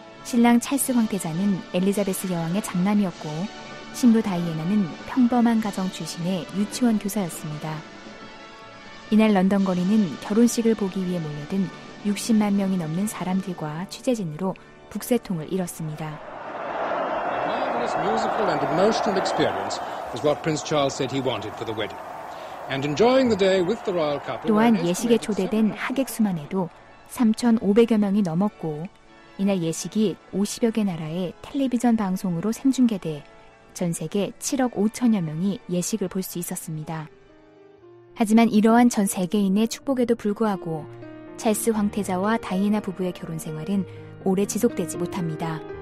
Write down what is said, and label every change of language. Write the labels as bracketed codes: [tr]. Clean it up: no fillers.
[ko] 신랑 찰스 황태자는 엘리자베스 여왕의 장남이었고 신부 다이애나는 평범한 가정 출신의 유치원 교사였습니다. 이날 런던 거리는 결혼식을 보기 위해 몰려든 60만 명이 넘는 사람들과 취재진으로 북새통을 이뤘습니다. [en] This musical and emotional experience is what Prince Charles said he wanted for the wedding. And enjoying the day with the royal couple. [ko] 또한 예식에 초대된 하객 수만 해도 3,500여 명이 넘었고 이날 예식이 50여 개 나라의 텔레비전 방송으로 생중계돼 전 세계 7억 5천여 명이 예식을 볼 수 있었습니다. 하지만 이러한 전 세계인의 축복에도 불구하고 찰스 황태자와 다이애나 부부의 결혼 생활은 오래 지속되지 못합니다.